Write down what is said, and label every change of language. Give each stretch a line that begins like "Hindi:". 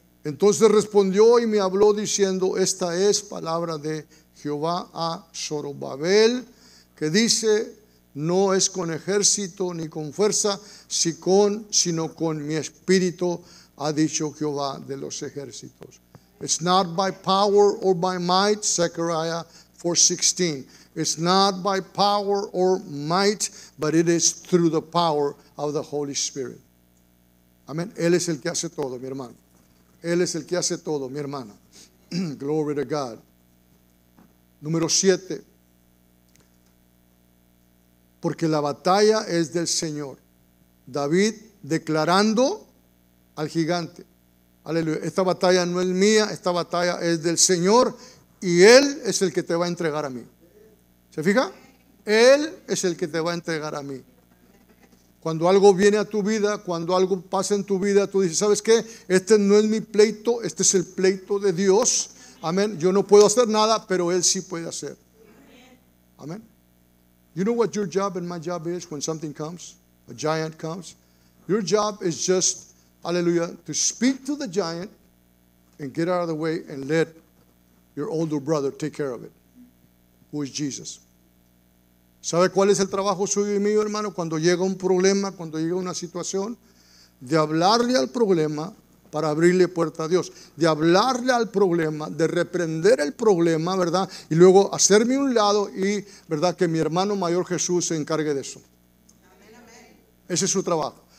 Spanish: Entonces respondió y me habló diciendo, esta es palabra de Jehová a Zorobabel, que dice, no es con ejército ni con fuerza, sino con mi espíritu, ha dicho Jehová de los ejércitos.
English: It's not by power or by might, Zechariah 4:16. It's not by power or might, but it is through the power of the Holy Spirit.
Spanish: Amén. Él es el que hace todo, mi hermano. Él es el que hace todo, mi hermana.
English: Glory to God.
Spanish: Número 7. Porque la batalla es del Señor. David declarando al gigante. Aleluya. Esta batalla no es mía, esta batalla es del Señor y Él es el que te va a entregar a mí. ¿Se fija? Él es el que te va a entregar a mí. Cuando algo viene a tu vida, cuando algo pasa en tu vida, tú dices, ¿sabes qué? Este no es mi pleito, este es el pleito de Dios. Amén. Yo no puedo hacer nada, pero Él sí puede hacer. Amén.
English: You know what your job and my job is when something comes, a giant comes? Your job is just, aleluya, to speak to the giant and get out of the way and let your older brother take care of it, who is Jesus.
Spanish: ¿Sabe cuál es el trabajo suyo y mío, hermano? Cuando llega un problema, cuando llega una situación, de hablarle al problema para abrirle puerta a Dios, de hablarle al problema, de reprender el problema, ¿verdad? Y luego hacerme un lado y, ¿verdad?, que mi hermano mayor Jesús se encargue de eso. Ese es su trabajo.